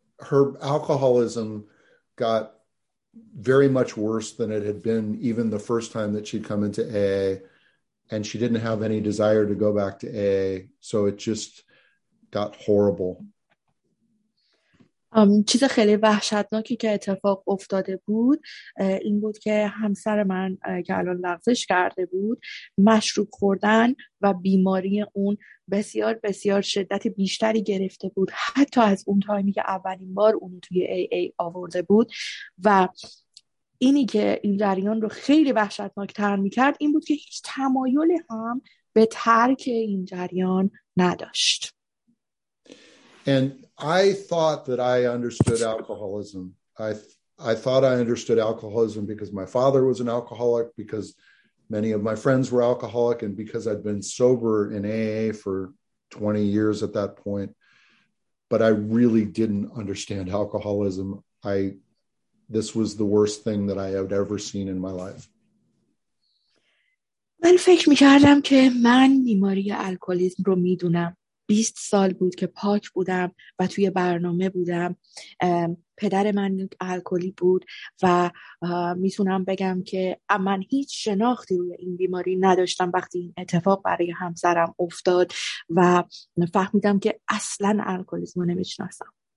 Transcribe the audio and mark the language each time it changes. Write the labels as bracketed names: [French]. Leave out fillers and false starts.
[English] Her alcoholism got very much worse than it had been even the first time that she'd come into AA, and she didn't have any desire to go back to AA, so it just got horrible. [Persian] چیز خیلی وحشتناکی که اتفاق افتاده بود این بود که همسر من که الان لغزش کرده بود مشروب خوردن و بیماری اون بسیار بسیار شدت بیشتری گرفته بود حتی از اون تایمی که اولین بار اون توی AA آورده بود و اینی که این جریان رو خیلی وحشتناک تر می کرد این بود که هیچ تمایل هم به ترک این جریان نداشت. [English] And I thought that I understood alcoholism. I thought I understood alcoholism because my father was an alcoholic, because many of my friends were alcoholic, and because I'd been sober in AA for 20 years at that point. But I really didn't understand alcoholism. This was the worst thing that I had ever seen in my life. [Persian] من فکر می‌کردم که من بیماری الکلیسم رو می‌دونم. 20 سال بود که پاک بودم و توی برنامه بودم. پدر من الکلی بود و میتونم بگم که من هیچ شناختی روی این بیماری نداشتم وقتی این اتفاق برای همسرم افتاد و فهمیدم که اصلا الکلیسم رو نمیشناسم.